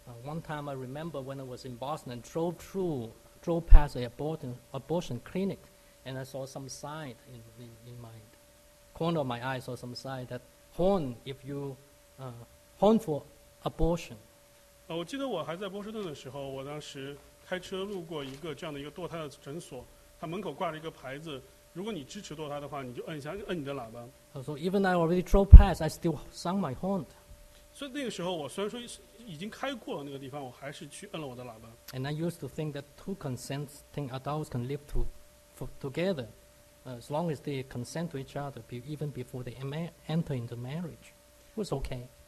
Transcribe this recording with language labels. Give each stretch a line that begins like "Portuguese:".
English: One time I remember when I was in Boston and drove past an abortion clinic and I saw some sign in my corner of my eye, saw some sign that horn if you horn for abortion.
Chinese: 我记得我还在波士顿的时候，我当时开车路过一个这样的一个堕胎的诊所。他门口挂了一个牌子，如果你支持堕胎的话，你就摁一下，摁你的喇叭。
English: So even I already drove past, I still sound my horn.
Chinese: 所以那个时候，我虽然说已经开过那个地方，我还是去摁了我的喇叭。
English: And I used to think that two consenting adults can live to, for, together, as long as they consent to each other, even before they enter into marriage, it was okay.